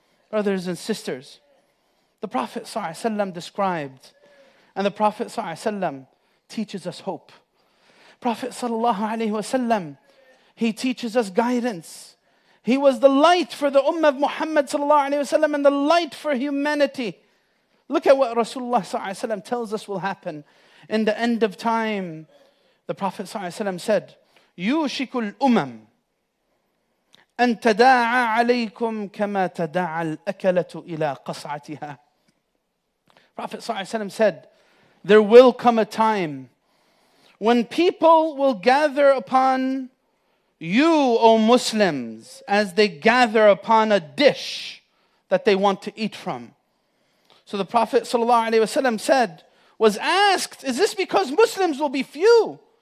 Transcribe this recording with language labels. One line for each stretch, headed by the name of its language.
English: Brothers and sisters, the Prophet ﷺ described, and the Prophet ﷺ teaches us hope. Prophet ﷺ, he teaches us guidance. He was the light for the ummah of Muhammad ﷺ and the light for humanity. Look at what Rasulullah ﷺ tells us will happen. In the end of time, the Prophet ﷺ said,
Arabic: يُوشِكُ الْأُمَمْ أَن تَدَاعَ عَلَيْكُمْ كَمَا تَدَاعَ الْأَكَلَةُ إِلَىٰ قَصْعَتِهَا.
English: Prophet ﷺ said, there will come a time when people will gather upon you, O Muslims, as they gather upon a dish that they want to eat from. So the Prophet ﷺ said, was asked, is this because Muslims will be few?